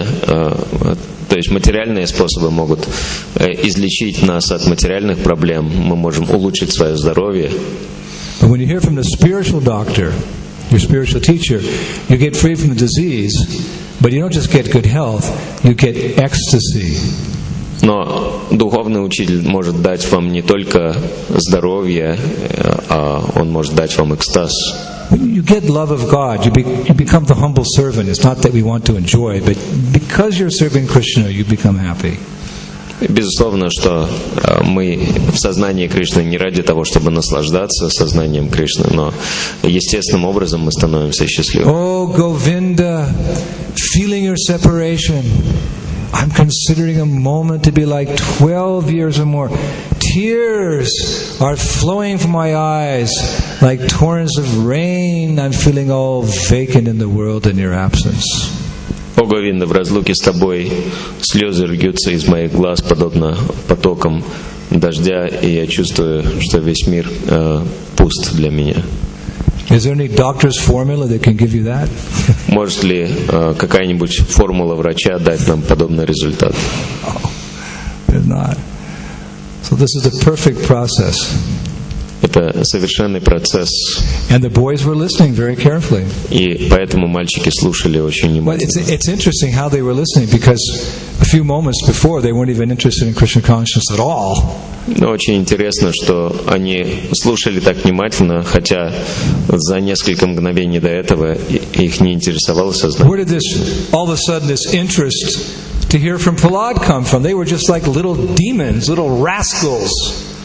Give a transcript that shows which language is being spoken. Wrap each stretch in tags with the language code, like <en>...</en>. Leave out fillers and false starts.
<ru>То есть материальные способы могут излечить нас от материальных проблем, мы можем улучшить свое здоровье.</ru> <en>But when you hear from the spiritual doctor, your spiritual teacher, you get free from the disease, but you don't just get good health, you get ecstasy.</en> <ru>Но духовный учитель может дать вам не только здоровье, а он может дать вам экстаз.</ru> <en>You get love of God. You become the humble servant. It's not that we want to enjoy, but because you're serving Krishna, you become happy.</en> <ru>Безусловно, что мы в сознании Кришны не ради того, чтобы наслаждаться сознанием Кришны, но естественным образом мы становимся счастливыми.</ru> <en>Oh, Govinda, feeling your separation, I'm considering a moment to be like 12 years or more. tears are flowing from my eyes like torrents of rain. I'm feeling all vacant in the world in your absence.</en> <ru>О Говинда, в разлуке с тобой слезы льются из моих глаз подобно потокам дождя, и я чувствую, что весь мир пуст для меня.</ru> <en>Is there any doctor's formula that can give you that?</en> <ru>Может ли какая-нибудь формула врача дать нам подобный результат?</ru> <en>There's not. So this is the perfect process.</en> <ru>Это совершенный процесс.</ru> <en>And the boys were listening very carefully.</en> <ru>И поэтому мальчики слушали очень внимательно.</ru> <en>But it's interesting how they were listening, because a few moments before they weren't even interested in Krishna consciousness at all.</en> <ru>Но очень интересно, что они слушали так внимательно, хотя за несколько мгновений до этого их не интересовало сознание.</ru> <en>Where did this, all of a sudden, this interest to hear from Prahlad come from? They were just like little demons, little rascals.</en>